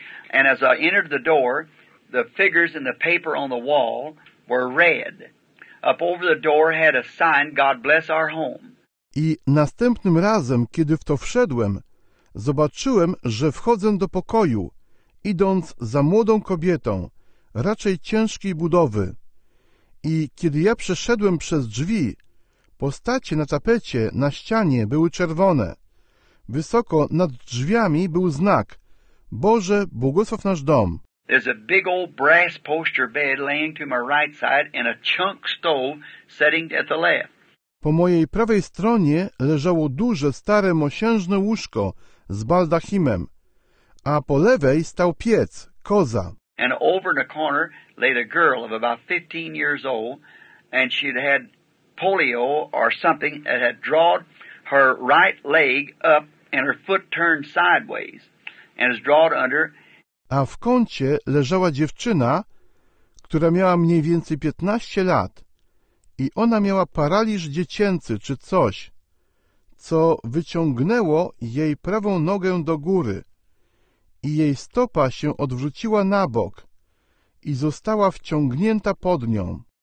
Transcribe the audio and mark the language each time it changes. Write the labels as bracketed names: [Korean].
[English] And as I entered the door, the figures in the paper on the wall were red. Up over the door had a sign, God bless our home. [Polish] I następnym razem, kiedy w to wszedłem, zobaczyłem, że wchodzę do pokoju, idąc za młodą kobietą, raczej ciężkiej budowy. I kiedy ja przeszedłem przez drzwi, postacie na tapecie, na ścianie były czerwone. Wysoko nad drzwiami był znak: Boże, błogosław nasz dom. [English] There's a big old brass poster bed laying to my right side and a chunk stove sitting at the left. [Polish] Po mojej prawej stronie leżało duże, stare, mosiężne łóżko z baldachimem, a po lewej stał piec, koza. [English] And over in the corner lay a girl of about 15 years old, and she'd had polio or something that had drawn her right leg up and her foot turned sideways, and is drawn under. [Polish] A w kącie leżała dziewczyna, która miała mniej więcej 15 lat. I ona miała paraliż dziecięcy czy coś, co wyciągnęło jej prawą nogę do góry i jej stopa się odwróciła na bok i została wciągnięta pod nią.